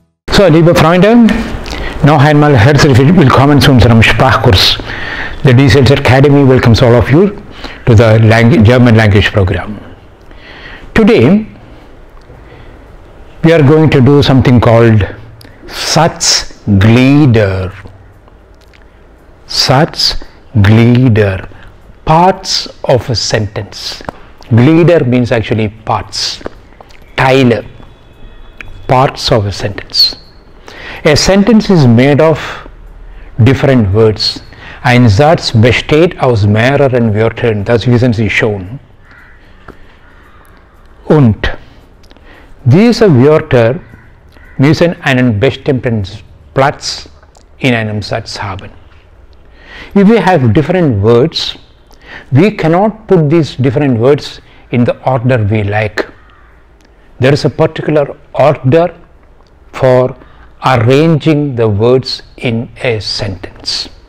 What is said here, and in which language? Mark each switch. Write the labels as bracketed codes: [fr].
[de] So, liebe Freunde, noch einmal herzlich willkommen zu unserem Sprachkurs. [en] The DSLZ Academy welcomes all of you to the German language program. Today, we are going to do something called SATZGLIEDER. SATZGLIEDER, parts of a sentence. Glieder means actually parts, Teile, parts of a sentence. A sentence is made of different words. [de] Ein Satz besteht aus mehreren Wörtern, das wissen Sie schon. Und diese Wörter müssen einen bestimmten Platz in einem Satz haben. [en] If we have different words, we cannot put these different words in the order we like. There is a particular order for arranging the words in a sentence.